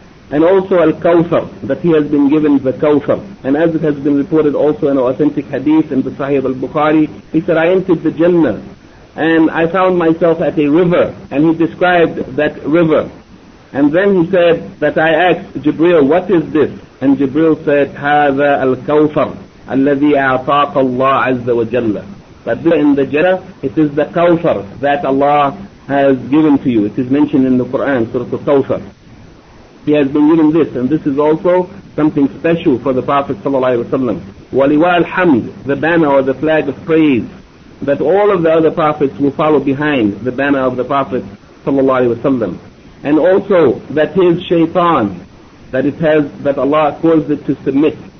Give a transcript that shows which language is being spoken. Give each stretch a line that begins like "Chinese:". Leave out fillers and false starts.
English: And also Al-Kawthar, that he has been given the Kawthar. And as it has been reported also in an authentic hadith in the Sahih al-Bukhari, he said, "I entered the Jannah and I found myself at a river." And he described that river. And then he said that I asked Jibreel, "What is this?" And Jibreel said,
Arabic: "هذا الكوثر الذي أعطاك الله عز وجل."
English: But there in the Jannah, it is the Kawthar that Allah has given to you. It is mentioned in the Quran, Surah Al-Kawthar. He has been given this, and this is also something special for the Prophet sallallahu alaihi wasallam. Waliwa al-hamd, the banner or the flag of praise, that all of the other prophets will follow behind the banner of the Prophet sallallahu alaihi wasallam, and also that his shaitan, that Allah caused it to submit.